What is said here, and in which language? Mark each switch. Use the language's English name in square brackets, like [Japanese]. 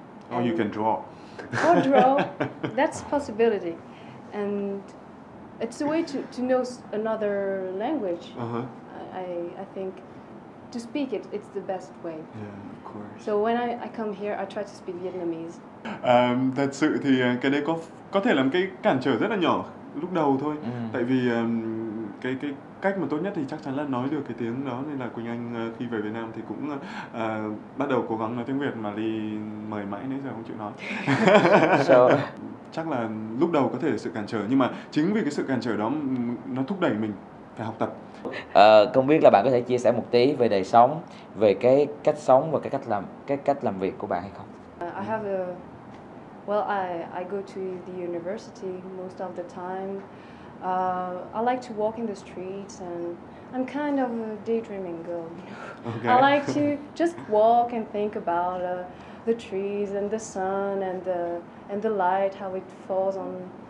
[English] Or you can draw. Or draw, that's a possibility. And it's a way to know another language. I think to speak it, it's the best way. Yeah, of course. So when I come here, I try to speak Vietnamese. [Vietnamese] Thật sự thì cái đấy có thể làm cái cản trở rất là nhỏ lúc đầu thôi. Tại vì cái cách mà tốt nhất thì chắc chắn là nói được cái tiếng đó, nên là Quỳnh Anh khi về Việt Nam thì cũng bắt đầu cố gắng nói tiếng Việt, mà Ly mời mãi nãy giờ không chịu nói. Chắc là lúc đầu có thể là sự cản trở, nhưng mà chính vì cái sự cản trở đó nó thúc đẩy mình phải học tập. Không biết là bạn có thể chia sẻ một tí về đời sống, về cái cách sống và cái cách làm việc của bạn hay không? [English] I have a, well, I go to the university most of the time. I like to walk in the streets and I'm kind of a daydreaming girl. Okay. I like to just walk and think about the trees and the sun and the light, how it falls on.